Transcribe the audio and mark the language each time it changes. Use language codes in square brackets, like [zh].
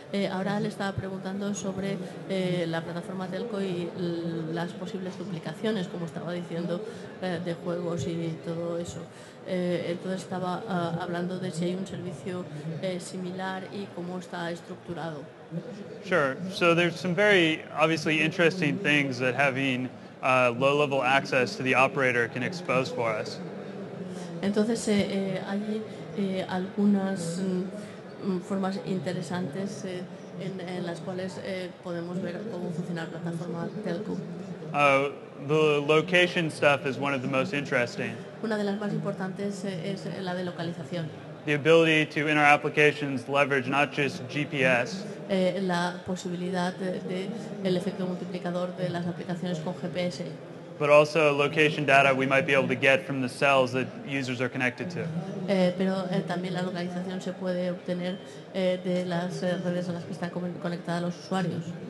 [es] Ahora le estaba preguntando sobre la plataforma Telco y las posibles duplicaciones, como estaba diciendo, de juegos y todo eso. Entonces estaba hablando de si hay un servicio similar y cómo está estructurado. [en] Sure. So there's some very obviously interesting things that having low-level access to the operator can expose for us. [es] Entonces, hay algunas formas interesantes en las cuales podemos ver cómo funciona la plataforma Telco. [en] The location stuff is one of the most interesting. [es] Una de las más importantes es la de localización. [en] The ability to, in our applications, leverage not just GPS. [es] La posibilidad de el efecto multiplicador de las aplicaciones con GPS. [en] But also location data we might be able to get from the cells that users are connected to. [es] Pero también la localización se puede obtener de las redes a las que están conectadas los usuarios.